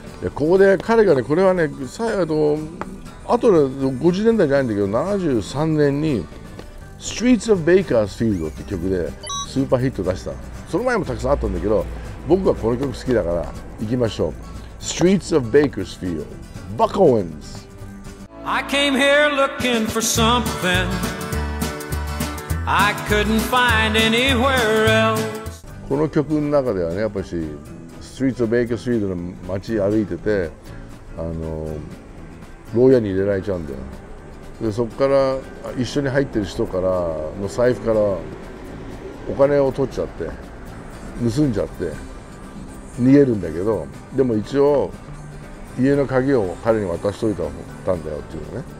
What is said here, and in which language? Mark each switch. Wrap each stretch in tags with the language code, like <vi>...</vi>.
<ja>ここで彼がね、これはね、後で50年代じゃないんだけど、73年に Streets of Bakersfield って曲でスーパーヒット出した。その前もたくさんあったんだけど、僕はこの曲好きだから行きましょう。 Streets of Bakersfield、 Buck Owens。</ja> <en>I came here looking for something I couldn't find anywhere else。</en> <ja>この曲の中ではね、やっぱしストリートベイカースフィールドの街歩いてて、牢屋に入れられちゃうんだよ。でそこから一緒に入ってる人からの財布からお金を取っちゃって、盗んじゃって逃げるんだけど、でも一応家の鍵を彼に渡しといたんだよっていうのね。</ja>